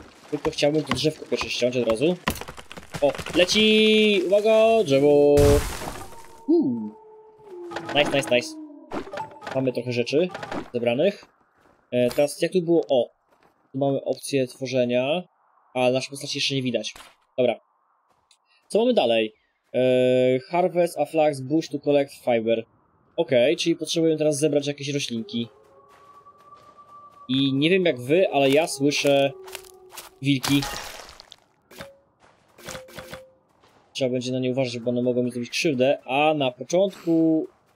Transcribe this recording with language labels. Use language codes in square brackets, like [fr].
[pl] Tylko chciałbym to drzewko pierwsze ściąć od razu. O, leci! Uwaga, drzewo! Nice, nice, nice. Mamy trochę rzeczy zebranych. Teraz jak tu było? O! Tu mamy opcję tworzenia, a naszej postaci jeszcze nie widać. Dobra. Co mamy dalej? [en] Harvest, a flax, bush to collect fiber. [pl] Okej, okay, czyli potrzebujemy teraz zebrać jakieś roślinki. I nie wiem jak wy, ale ja słyszę wilki. Trzeba będzie na nie uważać, bo one mogą mi zrobić krzywdę. A na początku...